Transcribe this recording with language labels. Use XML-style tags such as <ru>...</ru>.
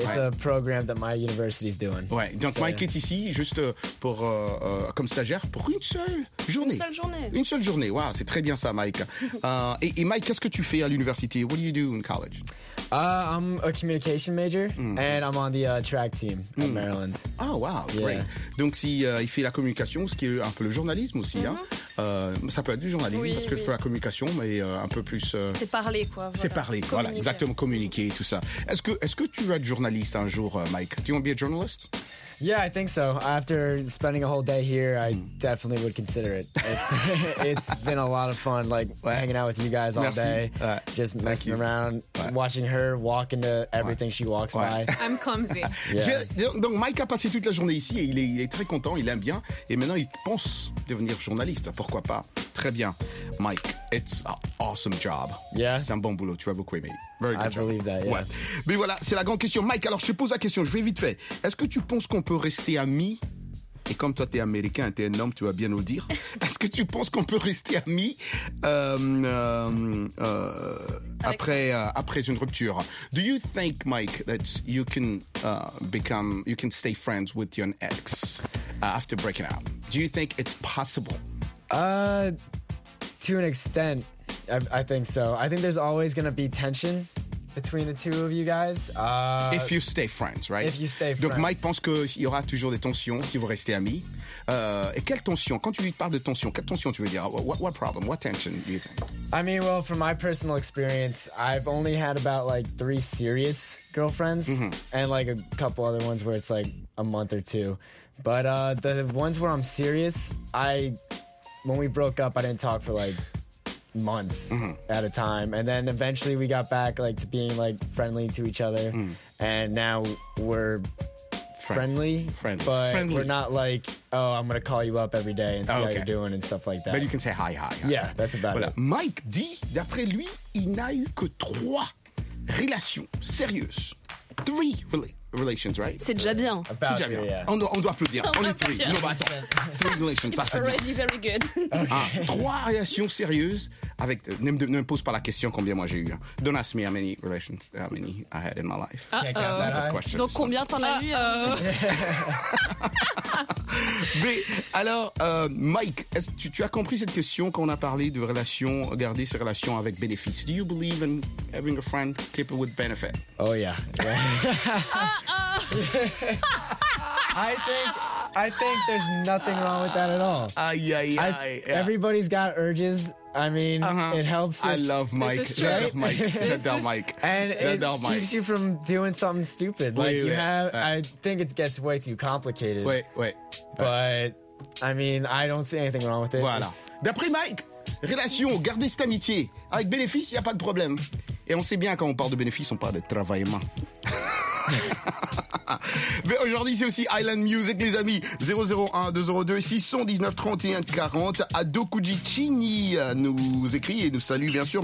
<en>It's a program that my university is doing.</en> <fr>Ouais, donc so, Mike est ici juste pour, comme stagiaire pour une seule journée. Une seule journée, wow, c'est très bien ça, Mike. et Mike, qu'est-ce que tu fais à l'université?</fr> <en>What do you do in college? I'm a communication major, and I'm on the track team at Maryland. Oh, wow, yeah. Great.</en> <fr>Donc, si il fait la communication, ce qui est un peu le journalisme aussi, ça peut être du journalisme, oui, parce que je fais la communication, mais un peu plus... C'est parler, quoi. Voilà. C'est parler, communiquer. Voilà, exactement, communiquer et tout ça. Est-ce que tu veux être journaliste un jour, Mike?</fr> <en>Do you want to be a journalist? Yeah, I think so. After spending a whole day here, I definitely would consider it. It's been a lot of fun, like, ouais, hanging out with you guys all</en> <fr>merci</fr> <en>day, just messing around, ouais, watching her walk into everything ouais she walks ouais by. I'm clumsy. Yeah.</en> <fr>Donc Mike a passé toute la journée ici et il est très content, il aime bien. Et maintenant, il pense devenir journaliste, pourquoi pas. Très bien.</fr> <en>Mike, it's an awesome job. Yeah.</en> <fr>C'est un bon boulot, tu vas beaucoup aimer.</fr> <en>Very good I job believe that, yeah. Ouais.</en> <fr>Mais voilà, c'est la grande question. Mike, alors je te pose la question, je vais vite fait. Est-ce que tu penses qu'on peut rester amis? Et comme toi, t'es américain, t'es un homme, tu vas bien nous le dire. Est-ce que tu penses qu'on peut rester amis après une rupture?</fr> <en>Do you think, Mike, that you can become, you can stay friends with your ex after breaking up? Do you think it's possible? To an extent, I think so. I think there's always going to be tension between the two of you guys. If you stay friends, right? If you stay friends.</en> <fr>Donc Mike pense qu'il y aura toujours des tensions si vous restez amis. Et quelle tension? Quand tu lui parles de tension, quelle tension tu veux dire? What problem? What tension do you think?</fr> <en>I mean, well, from my personal experience, I've only had about like 3 serious girlfriends and like a couple other ones where it's like a month or two. But the ones where I'm serious, when we broke up, I didn't talk for like months at a time. And then eventually we got back like to being like friendly to each other. And now we're friendly. We're not like, oh, I'm going to call you up every day and see how you're doing and stuff like that. But you can say hi. Yeah, that's about it.</en> <fr>Mike dit, d'après lui, il n'a eu que 3 relations sérieuses. 3 relations. Relations, right? C'est déjà bien. C'est déjà bien. Yeah. On doit applaudir. On est 3. Non, bah attends. 3 relations,</fr> <en>it's</en> <fr>ça, c'est bien.</fr> <en>It's already very good.</en> <fr>Okay. 3 relations sérieuses avec... Ne me pose pas la question combien moi j'ai eu.</fr> <en>Don't ask me how many relations, how many I had in my life. Uh-oh. That's not a good question.</en> <fr>Donc, combien t'en as eu? Mais alors, Mike, est-ce que tu as compris cette question quand on a parlé de relations, garder ses relations avec bénéfices?</fr> <en>Do you believe in having a friend keep it with benefit? Oh, yeah. I think there's nothing wrong with that at all. Everybody's got urges. I mean, it helps. I love Mike. And it keeps you from doing something stupid. I think it gets way too complicated. Wait. But, I mean, I don't see anything wrong with it.</en> <fr>Voilà. D'après Mike, relation, garder cette amitié. Avec bénéfice, il n'y a pas de problème. Et on sait bien, quand on parle de bénéfice, on parle de travail main. Mais aujourd'hui, c'est aussi Island Music, les amis. 001-202-619-3140. Adokuji Chini nous écrit et nous salue, bien sûr.</fr>